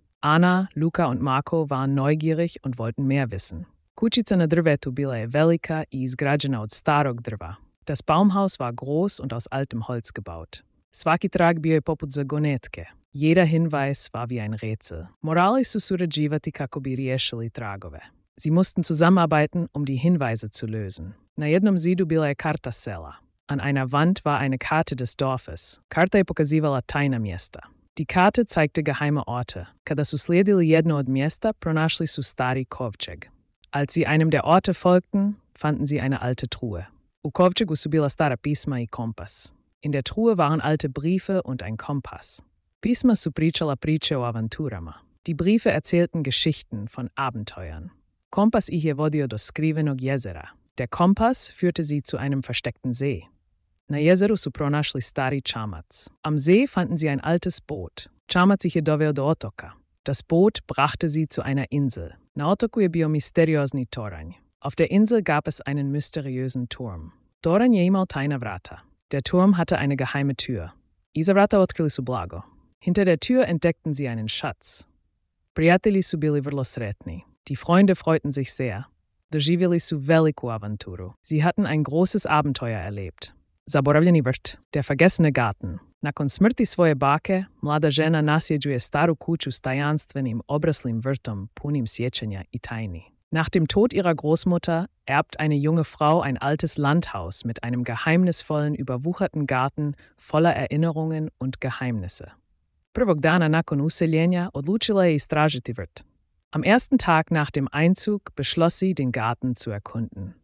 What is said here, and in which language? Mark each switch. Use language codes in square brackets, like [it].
[de] Ana, Luca und Marco waren neugierig und wollten mehr wissen. [hr] Kućica na drvetu bila je velika i izgrađena od starog drva. [de] Das Baumhaus war groß und aus altem Holz gebaut. [hr] Svaki trag bio je poput zagonetke. [de] Jeder Hinweis war wie ein Rätsel. [hr] Morali su surađivati kako bi riješili tragove. [de] Sie mussten zusammenarbeiten, um die Hinweise zu lösen. [hr] Na jednom zidu bila je karta sela. [de] An einer Wand war eine Karte des Dorfes. [hr] Karta je pokazivala tajna mjesta. [de] Die Karte zeigte geheime Orte. [hr] Kada su slijedili jedno od mjesta, pronašli su stari kovčeg. [de] Als sie einem der Orte folgten, fanden sie eine alte Truhe. [hr] U kovčegu su bila stara pisma i kompas. [de] In der Truhe waren alte Briefe und ein Kompass. [hr] Pisma su pričala priče o avanturama. [de] Die Briefe erzählten Geschichten von Abenteuern. [hr] Kompas ih je vodio do skrivenog jezera. [de] Der Kompass führte sie zu einem versteckten See. [hr] Na jezeru su pronašli stari čamac. [de] Am See fanden sie ein altes Boot. [hr] Čamac ih je doveo do otoka. [de] Das Boot brachte sie zu einer Insel. [hr] Na otoku je bio misteriozni toranj. [de] Auf der Insel gab es einen mysteriösen Turm. [hr] Toranj je imao tajna vrata. [de] Der Turm hatte eine geheime Tür. [hr] Iza vrata otkrili su blago. [de] Hinter der Tür entdeckten sie einen Schatz. [hr] Prijatelji su bili vrlo sretni. [de] Die Freunde freuten sich sehr. [hr] Doživjeli su veliku avanturu. [de] Sie hatten ein großes Abenteuer erlebt. [hr] Zaboravljeni vrt. [de] Der vergessene Garten. [hr] Nakon smrti svoje bake, mlada žena nasljeđuje staru kuću s tajanstvenim, obraslim vrtom, punim sjećanja i tajni. [de] Nach dem Tod ihrer Großmutter erbt eine junge Frau ein altes Landhaus mit einem geheimnisvollen, überwucherten Garten voller Erinnerungen und Geheimnisse. [hr] Prvog dana nakon useljenja odlučila je istražiti vrt. [de] Am ersten Tag nach dem Einzug beschloss sie, den Garten zu erkunden.